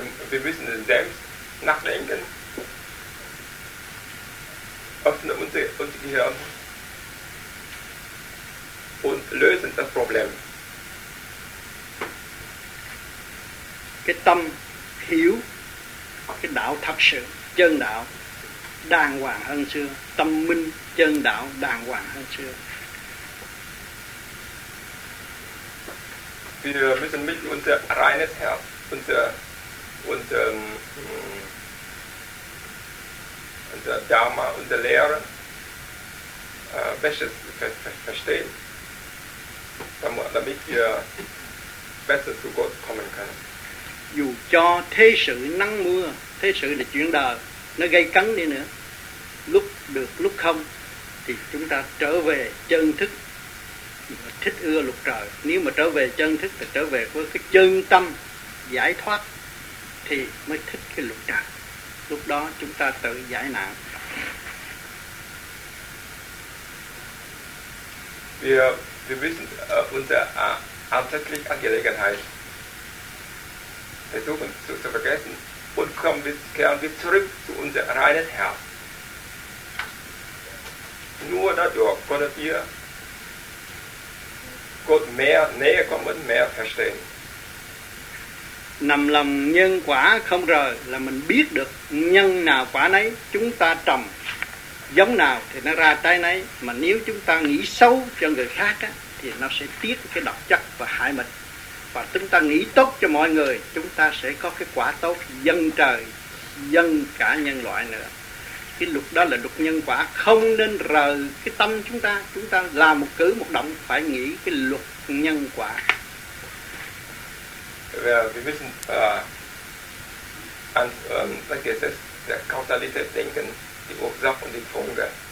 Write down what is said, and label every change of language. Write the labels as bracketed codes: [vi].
[de] wir müssen selbst nachdenken, öffnen unser Gehirn und lösen das Problem. [vi] Cái tâm hiểu, cái đạo thật sự, chân đạo đàng hoàng hơn xưa, tâm minh chân đạo đàng hoàng hơn xưa. [de] Wir müssen mit unser reines Herz, unser Dharma, unsere Lehre, besser verstehen, damit wir besser zu Gott kommen können. [vi] Dù cho thế sự nắng mưa, thế sự là chuyện đời, nó gây cấn đi nữa, lúc được lúc không, thì chúng ta trở về chân thức, thích ưa luật trời. Nếu mà trở về chân thức thì trở về với cái chân tâm giải thoát thì mới thích cái luật trời. Lúc đó chúng ta tự giải nạn. [de] Wir wissen unsere alltägliche Angelegenheit. Versuchen zu vergessen und kehren wir zurück zu unserem reinen Herz. Nur dadurch können wir Gott mehr näher kommen, mehr verstehen. [vi] Nằm lòng nhân quả không rời là mình biết được nhân nào quả nấy, chúng ta trồng giống nào thì nó ra trái nấy, mà nếu chúng ta nghĩ xấu cho người khác á, thì nó sẽ tiết cái độc chất và hại mình. Và chúng ta nghĩ tốt cho mọi người, chúng ta sẽ có cái quả tốt dân trời, dân cả nhân loại nữa. Cái luật đó là luật nhân quả, không nên rời cái tâm chúng ta. Chúng ta làm một cử một động phải nghĩ cái luật nhân quả. [de] Wir wissen das Gesetz der Kausalität denken, die Ursache und die Folge.